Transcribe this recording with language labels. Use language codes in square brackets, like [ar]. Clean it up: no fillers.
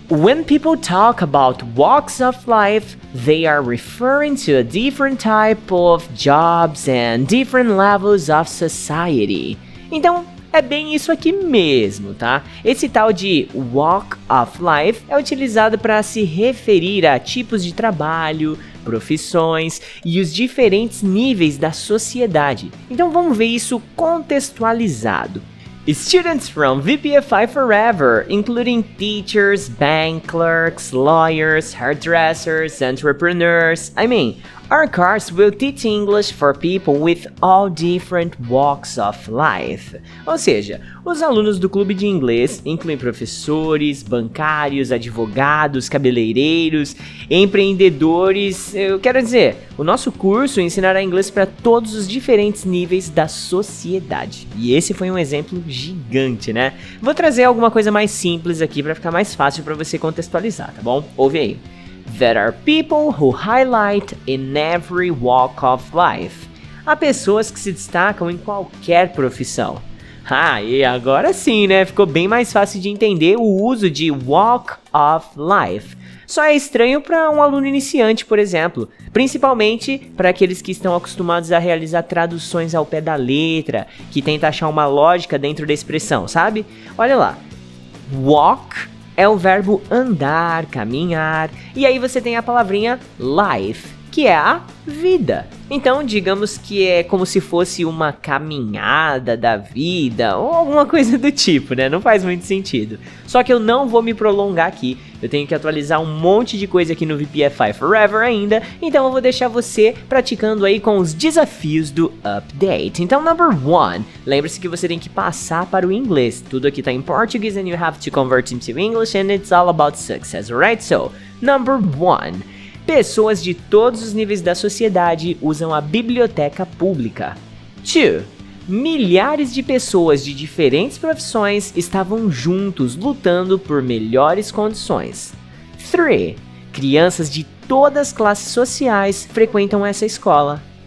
[en] When people talk about walks of life, they are referring to a different type of jobs and different levels of society. [pt] Então, é bem isso aqui mesmo, tá? Esse tal de walk of life é utilizado para se referir a tipos de trabalho, profissões e os diferentes níveis da sociedade. Então, vamos ver isso contextualizado. [en] Students from VPFI Forever, including teachers, bank clerks, lawyers, hairdressers, entrepreneurs, I mean, our course will teach English for people with all different walks of life. [pt] Ou seja, os alunos do clube de inglês incluem professores, bancários, advogados, cabeleireiros, empreendedores. Eu quero dizer, o nosso curso ensinará inglês para todos os diferentes níveis da sociedade. E esse foi um exemplo gigante, né? Vou trazer alguma coisa mais simples aqui para ficar mais fácil para você contextualizar, tá bom? Ouve aí. [en] There are people who highlight in every walk of life. [pt] Há pessoas que se destacam em qualquer profissão. Ah, e agora sim, né? Ficou bem mais fácil de entender o uso de walk of life. Só é estranho para um aluno iniciante, por exemplo. Principalmente para aqueles que estão acostumados a realizar traduções ao pé da letra, que tenta achar uma lógica dentro da expressão, sabe? Olha lá. Walk é o verbo andar, caminhar, e aí você tem a palavrinha life, que é a vida. Então, digamos que é como se fosse uma caminhada da vida, ou alguma coisa do tipo, né? Não faz muito sentido. Só que eu não vou me prolongar aqui, eu tenho que atualizar um monte de coisa aqui no VPFI Forever ainda, então eu vou deixar você praticando aí com os desafios do update. Então, [en] number one, [pt] lembre-se que você tem que passar para o inglês. Tudo aqui tá em português [en] and you have to convert into English and it's all about success, right? So, number one. [pt] Pessoas de todos os níveis da sociedade usam a biblioteca pública. 2. Milhares de pessoas de diferentes profissões estavam juntos lutando por melhores condições. 3. Crianças de todas as classes sociais frequentam essa escola.